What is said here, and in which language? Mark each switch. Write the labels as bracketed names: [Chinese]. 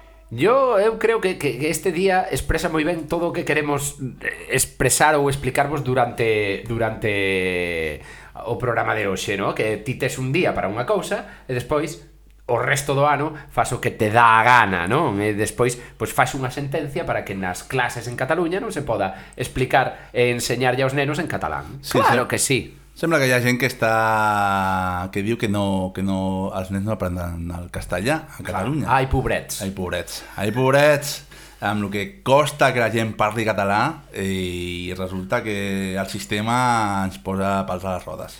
[Galician] Yo creo que este día expresa muy bien todo lo que queremos expresar o explicarvos durante o programa de hoxe, ¿no? Que ti tes un día para unha cousa e despois o resto do ano fas o que te dá a gana, ¿no? E despois pues fas unha sentencia para que nas clases en Cataluña non se poda explicar e enseñar aos nenos en catalán. [Spanish] Sí, claro que sí. [Catalan] Sembla que hi ha gent que està, que diu que no els nens no aprendran el castellà a Catalunya. Ai, pobrets. Ai, pobrets. Ai, pobrets. Amb el que costa que la gent parli català i resulta que el sistema ens posa pals a les rodes.